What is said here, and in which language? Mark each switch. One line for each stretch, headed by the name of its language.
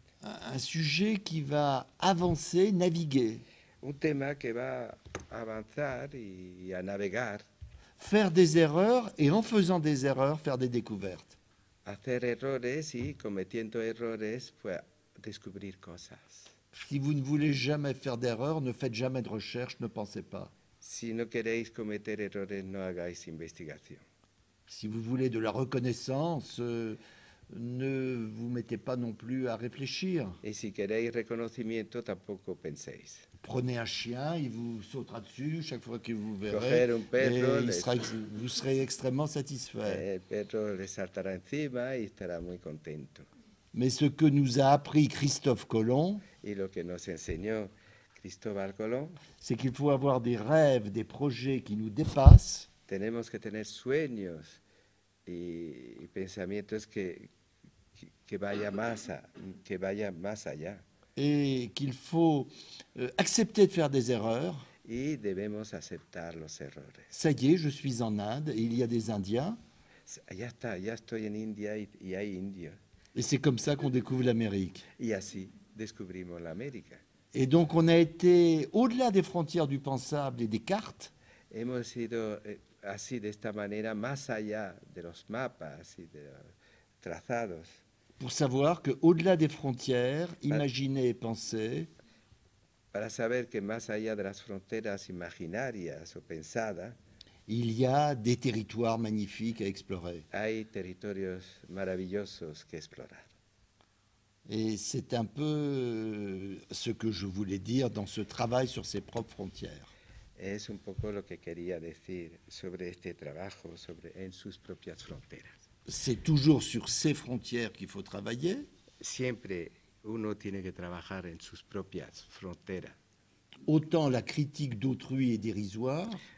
French: Un sujet qui va avancer, naviguer.
Spanish: Un tema que va avanzar y a navegar.
French: Faire des erreurs et en faisant des erreurs, faire des découvertes.
Spanish: Hacer errores y cometiendo errores, pues descubrir cosas.
French: Si vous ne voulez jamais faire d'erreur, ne faites jamais de recherche, ne pensez pas.
Spanish: Si no queréis cometer errores, no hagáis investigación.
French: Si vous voulez de la reconnaissance... ne vous mettez pas non plus à réfléchir.
Spanish: Et si queréis reconocimiento, tampoco penséis.
French: Prenez un chien, il vous sautera dessus chaque fois que vous verrez.
Spanish: Coger un perro,
French: vous serez extrêmement satisfait.
Spanish: El perro le saltará encima y estará muy contento.
French: Mais ce que nous a appris Christophe Colomb,
Spanish: y lo que nos enseñó Cristóbal Colón,
French: c'est qu'il faut avoir des rêves, des projets qui nous dépassent.
Spanish: Tenemos que tener sueños. Y pensamientos que vaya más allá.
French: Et qu'il faut accepter de faire des erreurs.
Spanish: Y debemos aceptar los errores.
French: Ça y est, je suis en Inde, et il y a des Indiens.
Spanish: Ya está, ya estoy en India y hay indios.
French: Et c'est comme ça qu'on découvre l'Amérique.
Spanish: Y así descubrimos la América.
French: Et donc on a été au-delà des frontières du pensable et des cartes.
Spanish: Hemos ido... así de esta manera más allá de los mapas y de los trazados
French: pour savoir que au-delà des frontières imaginer et penser
Spanish: para saber que más allá de las fronteras imaginarias o pensadas
French: il y a des territoires magnifiques à explorer
Spanish: hay territorios maravillosos que explorar
French: et c'est un peu ce que je voulais dire dans ce travail sur ses propres frontières.
Spanish: Es un poco lo que quería decir sobre este trabajo, sobre en sus propias fronteras.
French: C'est toujours sur ces frontières qu'il faut travailler.
Spanish: Siempre uno tiene que trabajar en sus propias fronteras.
French: Autant la critique d'autrui est dérisoire.